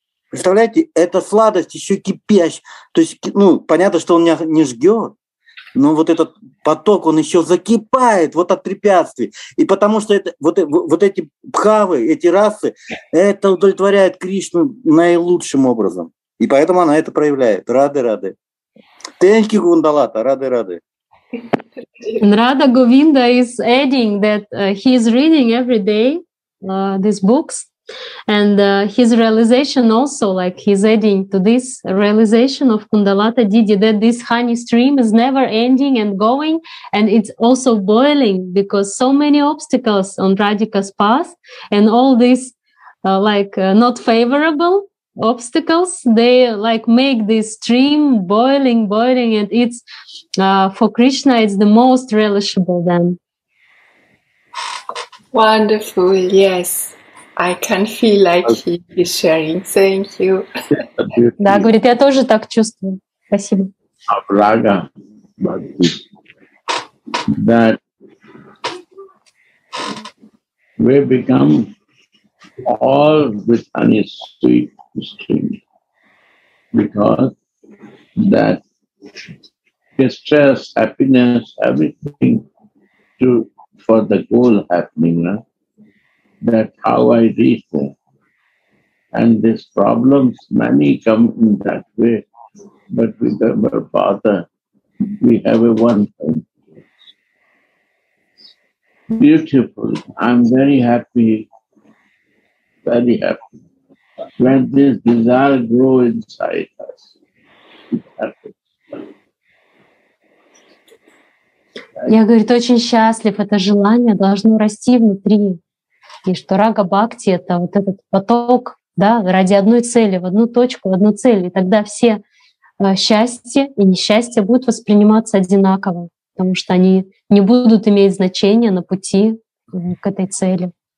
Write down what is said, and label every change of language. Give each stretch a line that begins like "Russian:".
Russian: Представляете, эта сладость еще кипящая. То есть, ну, понятно, что он не жгет, но вот этот поток, он еще закипает вот от препятствий. И потому что это, вот эти бхавы, эти расы, это удовлетворяет Кришну наилучшим образом. И поэтому она это проявляет. Рады-рады.
English: Thank you,
Russian: Гундалата. Рады-рады.
English: Radha Govinda is adding that he is reading every day these books, and his realization also, like he's adding to this realization of Kundalata Didi, that this honey stream is never ending and going, and it's also boiling because so many obstacles on Radhika's path and all these not favorable obstacles, they like make this stream boiling, and it's for Krishna, it's the most relishable then. Wonderful, yes. I can feel like he is sharing. Thank you.
Russian: Да, говорит, я тоже так чувствую. Спасибо.
English: Абрага, that we become all with honesty stream because that distress, happiness, everything to for the goal happening, no? That how I reach there. And these problems, many come in that way. But with our Father, we have a one thing. Beautiful. I'm very happy. Very happy. When this desire grows inside us, it happens.
Russian: Я, говорит, очень счастлив, это желание должно расти внутри. И что рага-бхакти — это вот этот поток, да, ради одной цели, в одну точку, в одну цель. И тогда все счастье и несчастье будут восприниматься одинаково, потому что они не будут иметь значения на пути к этой цели.